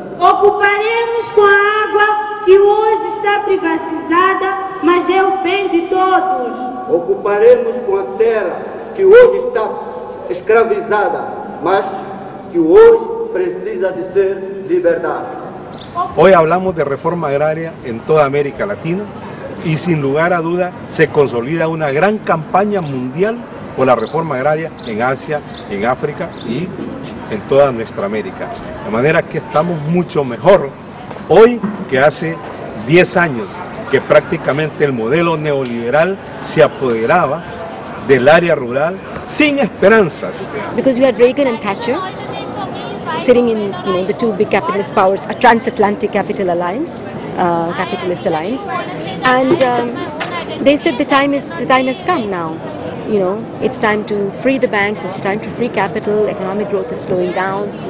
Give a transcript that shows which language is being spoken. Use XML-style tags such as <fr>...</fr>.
<pt>Ocuparemos com a água que hoje está privatizada, mas é o bem de todos. Ocuparemos com a terra que hoje está escravizada, mas que hoje precisa de ser liberdade.</pt> <es>Hoy hablamos de reforma agraria en toda América Latina y sin lugar a duda se consolida una gran campaña mundial por la reforma agraria en Asia, en África y en toda nuestra América. De manera que estamos mucho mejor hoy que hace 10 años que prácticamente el modelo neoliberal se apoderaba del área rural sin esperanzas.</es> <en>Because we had Reagan and Thatcher sitting in, you know, the two big capitalist powers, a transatlantic capital alliance, capitalist alliance, and they said the time has come now. You know, it's time to free the banks, it's time to free capital, economic growth is slowing down.</en>